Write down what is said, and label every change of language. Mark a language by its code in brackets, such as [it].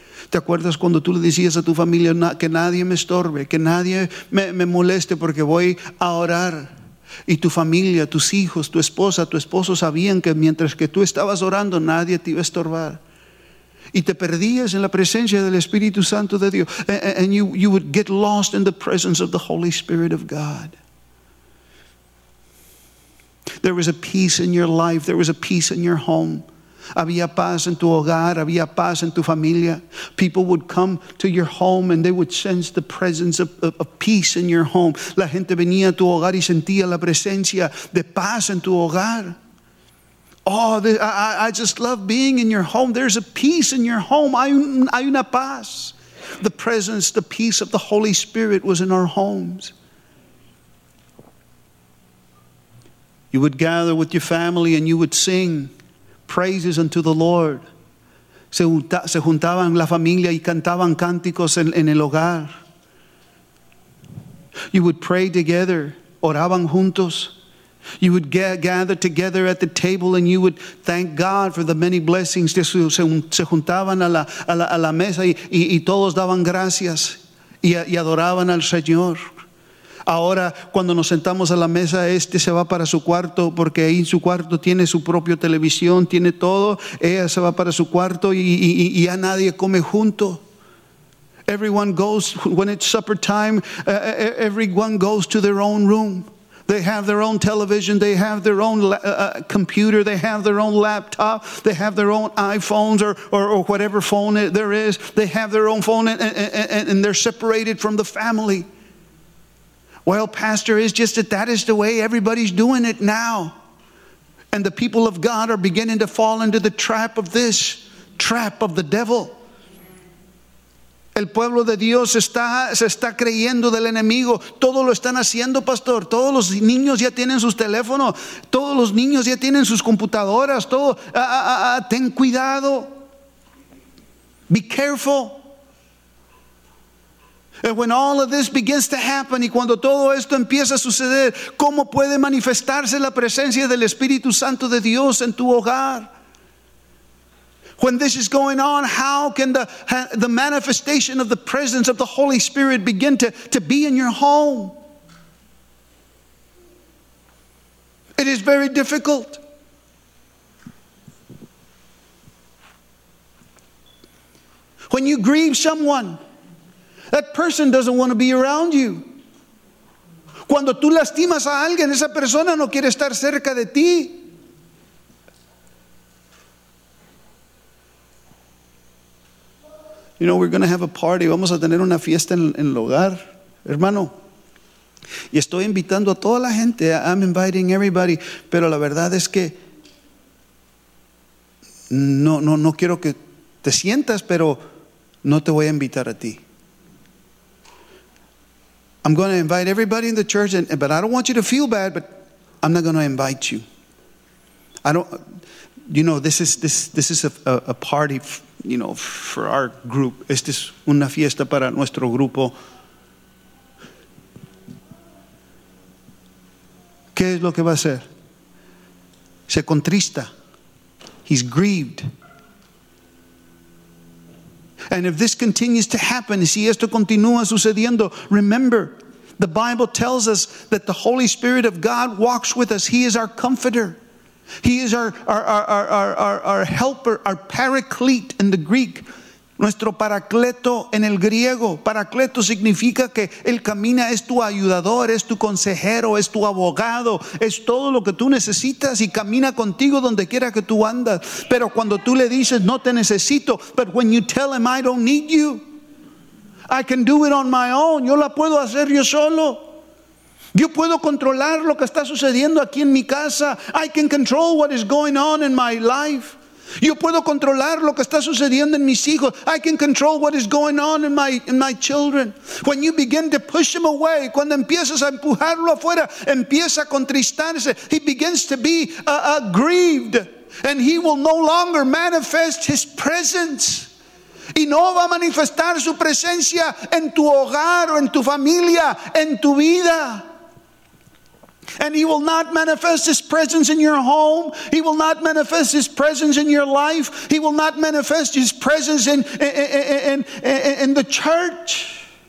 [es] ¿Te acuerdas cuando tú le decías a tu familia que nadie me estorbe, que nadie me moleste porque voy a orar? Y tu familia, tus hijos, tu esposa, tu esposo sabían que mientras que tú estabas orando nadie te iba a estorbar. Y te perdías en la presencia del Espíritu Santo de Dios. [en] And you would get lost in the presence of the Holy Spirit of God. There was a peace in your life, there was a peace in your home. [es] Había paz en tu hogar, había paz en tu familia. [en] People would come to your home and they would sense the presence of peace in your home. [es] La gente venía a tu hogar y sentía la presencia de paz en tu hogar. [en] Oh, I just love being in your home. There's a peace in your home. [es] Hay una paz. [en] The presence, the peace of the Holy Spirit was in our homes. You would gather with your family and you would sing praises unto the Lord. [es] Se juntaban la familia y cantaban cánticos en el hogar. [en] You would pray together. [es] Oraban juntos. [en] You would gather together at the table and you would thank God for the many blessings. [es] Se juntaban a la mesa y todos daban gracias y adoraban al Señor. Ahora, cuando nos sentamos a la mesa, este se va para su cuarto, porque ahí en su cuarto tiene su propia televisión, tiene todo. Ella se va para su cuarto y ya nadie come junto. [en] Everyone goes, when it's supper time, everyone goes to their own room. They have their own television, they have their own computer, they have their own laptop, they have their own iPhones or whatever phone there is. They have their own phone and they're separated from the family. Well, Pastor, it's just that is the way everybody's doing it now. And the people of God are beginning to fall into the trap of this, trap of the devil. [es] El pueblo de Dios se está creyendo del enemigo. Todo lo están haciendo, Pastor. Todos los niños ya tienen sus teléfonos. Todos los niños ya tienen sus computadoras. Todo. Ten cuidado. [en] Be careful. And when all of this begins to happen, [es] y cuando todo esto empieza a suceder, ¿cómo puede manifestarse la presencia del Espíritu Santo de Dios en tu hogar? [en] When this is going on, how can the manifestation of the presence of the Holy Spirit begin to be in your home? It is very difficult. When you grieve someone, that person doesn't want to be around you. [es] Cuando tú lastimas a alguien, esa persona no quiere estar cerca de ti. [en] You know, we're going to have a party. [es] Vamos a tener una fiesta en el hogar, hermano. Y estoy invitando a toda la gente. [en] I'm inviting everybody. [es] Pero la verdad es que no quiero que te sientas, pero no te voy a invitar a ti. [en] I'm going to invite everybody in the church, but I don't want you to feel bad, but I'm not going to invite you. I don't, you know, this is a party, you know, for our group. [es] Esta es una fiesta para nuestro grupo. ¿Qué es lo que va a hacer? Se contrista. [en] He's grieved. And if this continues to happen, [es] si esto continúa sucediendo, [en] remember, the Bible tells us that the Holy Spirit of God walks with us. He is our comforter. He is our helper, our paraclete in the Greek. [es] Nuestro paracleto en el griego. Paracleto significa que él camina, es tu ayudador, es tu consejero, es tu abogado, es todo lo que tú necesitas y camina contigo donde quiera que tú andas. Pero cuando tú le dices, no te necesito, [en] but when you tell him, I don't need you, I can do it on my own, [es] yo la puedo hacer yo solo. Yo puedo controlar lo que está sucediendo aquí en mi casa. [en] I can control what is going on in my life. [es] Yo puedo controlar lo que está sucediendo en mis hijos. [en] I can control what is going on in my children. When you begin to push him away, [es] cuando empiezas a empujarlo afuera, empieza a contristarse. [en] He begins to be grieved. And he will no longer manifest his presence. [es] Y no va a manifestar su presencia en tu hogar o en tu familia, en tu vida. [en] And he will not manifest his presence in your home. He will not manifest his presence in your life. He will not manifest his presence in the church.